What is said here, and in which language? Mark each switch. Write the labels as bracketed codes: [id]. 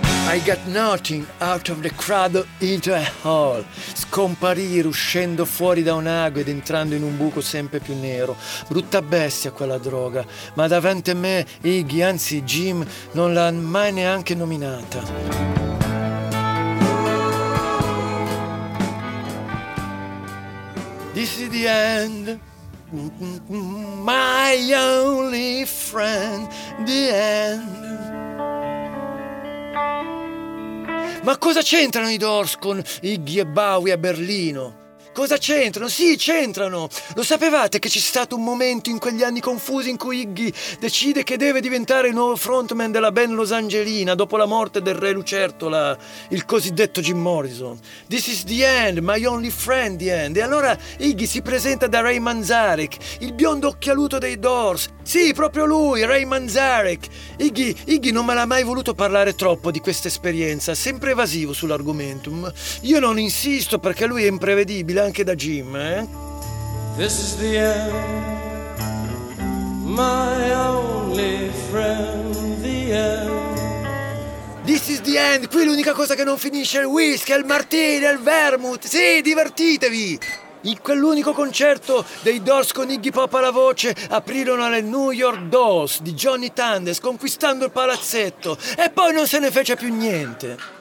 [en] I got nothing out of the crowd into a hole. [it] Scomparire uscendo fuori da un ago ed entrando in un buco sempre più nero. Brutta bestia quella droga, ma davanti a me Iggy, anzi Jim, non l'ha mai neanche nominata. [en] This is the end, my only friend, the end. [it] Ma cosa c'entrano i Doors con Iggy e Bowie a Berlino? Cosa c'entrano? Sì, c'entrano! Lo sapevate che c'è stato un momento in quegli anni confusi in cui Iggy decide che deve diventare il nuovo frontman della band losangelina dopo la morte del re Lucertola, il cosiddetto Jim Morrison? [en] This is the end, my only friend, the end. [it] E allora Iggy si presenta da Ray Manzarek, il biondo occhialuto dei Doors. Sì, proprio lui, Ray Manzarek. Iggy non me l'ha mai voluto parlare troppo di questa esperienza, sempre evasivo sull'argomento. Io non insisto perché lui è imprevedibile. Anche da Jim, [en] This is the end, my only friend, the end. This is the end, [it] qui l'unica cosa che non finisce è il whisky, il martini, il vermouth. Sì, divertitevi! In quell'unico concerto dei Doors con Iggy Pop alla voce aprirono le New York Dolls di Johnny Thunders, conquistando il palazzetto, e poi non se ne fece più niente.